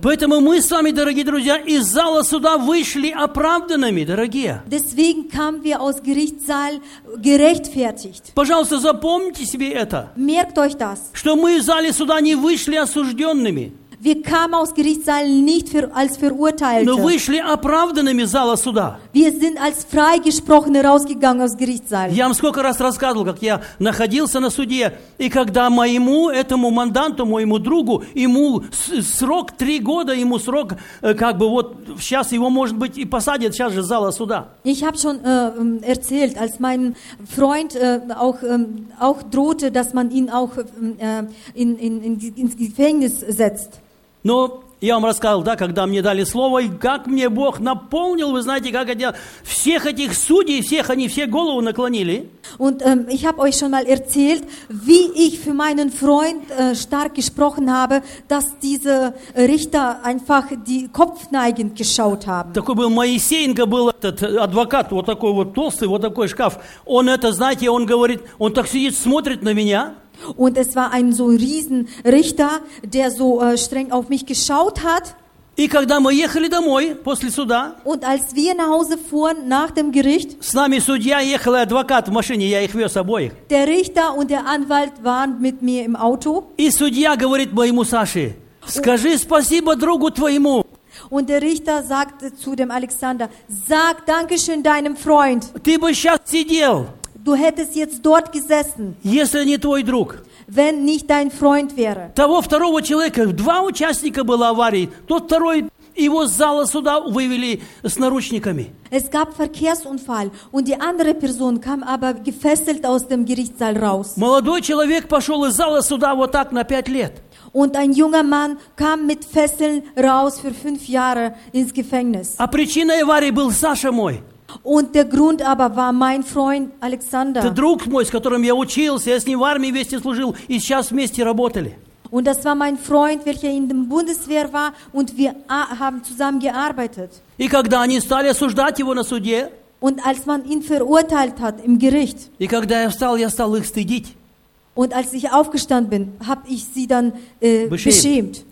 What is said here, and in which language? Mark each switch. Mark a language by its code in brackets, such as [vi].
[ru] Поэтому мы с вами, дорогие друзья, из зала суда вышли оправданными, дорогие. [de] Deswegen kamen wir aus Gerichtssaal gerechtfertigt. [ru] Пожалуйста, запомните себе это. [de] Merkt euch das. [ru] Что мы из зала суда не вышли осужденными. [de] Wir kamen aus Gerichtssaal nicht als Verurteilte. [ru] Но вышли оправданными из зала суда. [de] Wir sind als Freigesprochene rausgegangen aus Gerichtssaal. [ru] Я вам сколько раз рассказывал, как я находился на суде, и когда моему этому манданту, моему другу, ему срок 3 года, ему срок, как бы вот сейчас его, может быть, и посадят сейчас же из зала суда. [de] Ich habe schon erzählt, als mein Freund auch drohte, dass man ihn auch ins Gefängnis setzt. [ru] Но я вам рассказывал, да, когда мне дали слово, и как мне Бог наполнил, вы знаете, как я всех этих судей, всех они все голову наклонили. [de] Und ich habe euch schon mal erzählt, wie ich für meinen Freund stark gesprochen habe, dass diese Richter einfach die Kopfneigend geschaut haben. [ru] Такой был Моисеенко, был этот адвокат, вот такой вот толстый, вот такой шкаф. Он это, знаете, он говорит, он так сидит, смотрит на меня. [de] Und es war ein so riesen Richter, der so streng auf mich geschaut hat. [ru] И когда мы ехали домой после суда, [de] und als wir nach Hause fuhren, nach dem Gericht, [ru] с нами судья ехал и адвокат в машине, я их вез обоих. [de] Der Richter und der Anwalt waren mit mir im Auto. [ru] И судья говорит моему Саше, скажи спасибо другу твоему. [de] Und der Richter sagte zu dem Alexander, sag Dankeschön deinem Freund. [ru] Ты бы сейчас сидел. [de] Du hättest jetzt dort gesessen. [ru] Если не твой друг. [de] Wenn nicht dein Freund wäre. [ru] Того второго человека, два участника было аварии, тот второй его с зала суда вывели с наручниками. [de] Es gab Verkehrsunfall und die andere Person kam aber gefesselt aus dem Gerichtssaal raus. [ru] Молодой человек пошел из зала суда вот так на 5 лет. [de] Und ein junger Mann kam mit Fesseln raus für 5 Jahre ins Gefängnis. [ru] А причиной аварии был Саша мой. [de] Und der Grund aber war mein Freund Alexander. [ru] Это друг мой, с которым я учился, я с ним в армии вместе служил и сейчас вместе работали. [de] Und das war mein Freund, welcher in der Bundeswehr war und wir haben zusammen gearbeitet. [ru] И когда они стали осуждать его на суде? [de] Und als man ihn verurteilt hat im Gericht. [ru] И когда я стал их стыдить? [de] Und als ich aufgestanden bin, habe ich sie dann beschämt.